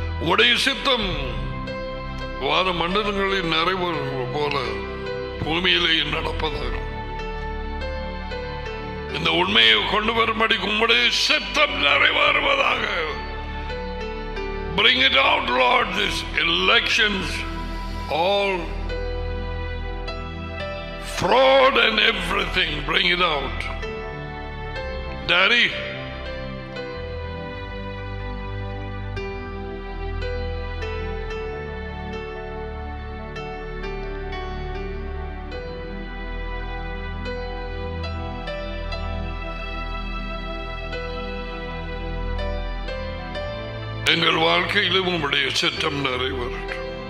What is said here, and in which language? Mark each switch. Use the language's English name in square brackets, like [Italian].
[Tamil] உடைய சித்தம் வாத மண்டலங்களில் நிறைவு போல பூமியிலே நடப்பதாக. இந்த உண்மையை கொண்டு வரும்படி உங்களுடைய சித்தம் நிறைவேறுவதாக. [English] Bring it out, Lord, these elections, all fraud and everything, bring it out. [Tamil] Daddy, எங்கள் வாழ்க்கையிலும் உங்களுடைய சித்தம் நிறைவேறட்டும்.